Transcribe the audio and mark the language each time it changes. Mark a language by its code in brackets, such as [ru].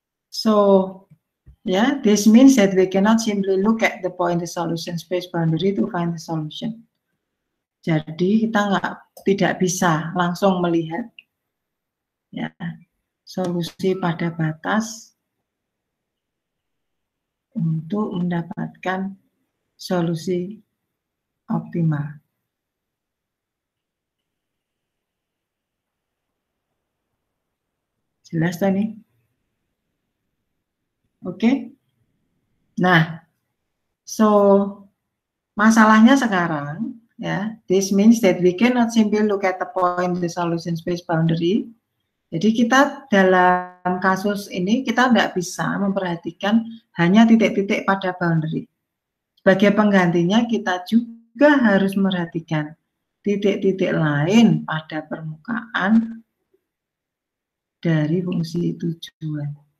[en] So, yeah, this means that we cannot simply look at the point the solution space boundary to find the solution. [id] Jadi kita tidak bisa langsung melihat ya solusi pada batas untuk mendapatkan solusi optimal. Jelas tak nih? Oke. [en] Nah, so [id] masalahnya sekarang ya, [en] this means that we cannot simply look at the point the solution space boundary. [id] Jadi kita dalam kasus ini kita enggak bisa memperhatikan hanya titik-titik pada boundary. Sebagai penggantinya kita juga harus memperhatikan titik-titik lain pada permukaan dari fungsi tujuan.